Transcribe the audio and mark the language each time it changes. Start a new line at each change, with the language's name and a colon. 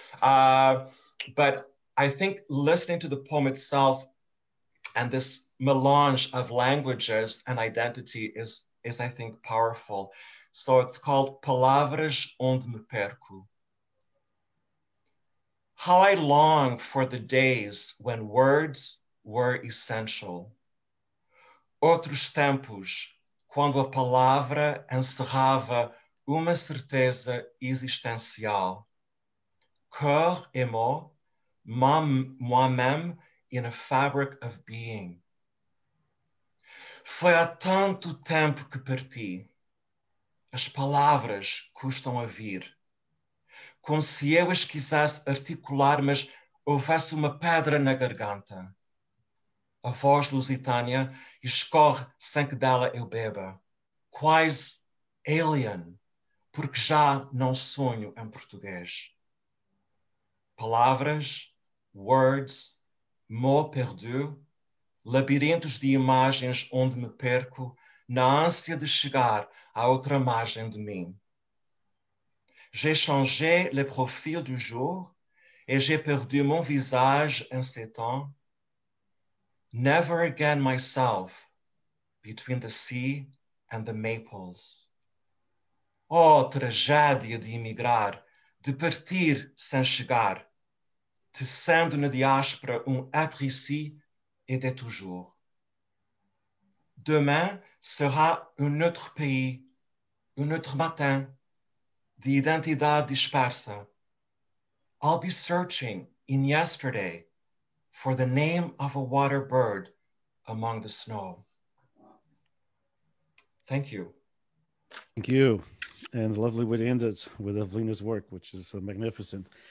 English: But I think listening to the poem itself and this melange of languages and identity is I think, powerful. So it's called
Portuguese: Palavras onde me perco.
English: How I long for the days when words were essential.
Portuguese: Outros tempos, quando a palavra encerrava uma certeza existencial.
French: Cœur et moi-même
English: in a fabric of being.
Portuguese: Foi há tanto tempo que parti. As palavras custam a vir. Como se eu as quisesse articular, mas houvesse uma pedra na garganta. A voz lusitânia escorre sem que dela eu beba. Quase alien, porque já não sonho em português. Palavras, words,
French: mot perdu,
Portuguese: labirintos de imagens onde me perco, na ânsia de chegar à outra margem de mim.
French: J'ai changé le profil du jour et j'ai perdu mon visage en ces temps.
English: Never again myself between the sea and the maples.
Portuguese: Oh, tragédia de emigrar, de partir sem chegar, tecendo na diáspora
French: être ici et de toujours. Demain sera un autre pays, un autre matin.
English: The
Spanish: identidad dispersa.
English: I'll be searching in yesterday for the name of a water bird among the snow. Thank you. Thank you. And lovely way to end it with Evelina's work, which is magnificent.